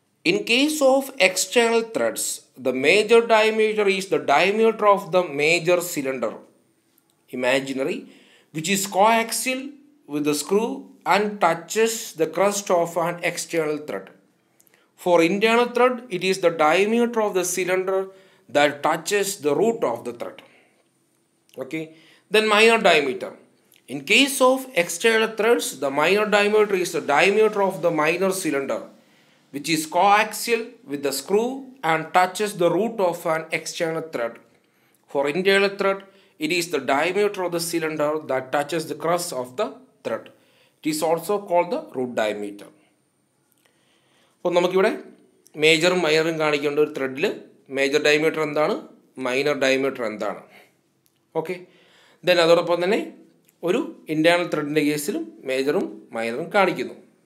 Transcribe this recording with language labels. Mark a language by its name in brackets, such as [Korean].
[English] In case of external threads the major diameter is the diameter of the major cylinder imaginary which is coaxial with the screw and touches the crest of an external thread. For internal thread it is the diameter of the cylinder that touches the root of the thread. Okay. Then minor diameter. In case of external threads, the minor diameter is the diameter of the minor cylinder, which is coaxial with the screw and touches the root of an external thread. For internal thread, it is the diameter of the cylinder that touches the crust of the thread. It is also called the root diameter. [Malayalam] So, നമുക്ക് ഇവിടെ മേജറും മൈനറും കാണിക്കേണ്ട ഒരു ത്രെഡിൽ major diameter എന്താണ്, minor diameter എന്താണ്. Okay. Then അതോടൊപ്പം തന്നെ ഒരു internal ത്രെഡിൻ്റെ കേസിലും മേജറും മൈനറും കാണിക്കുന്നു.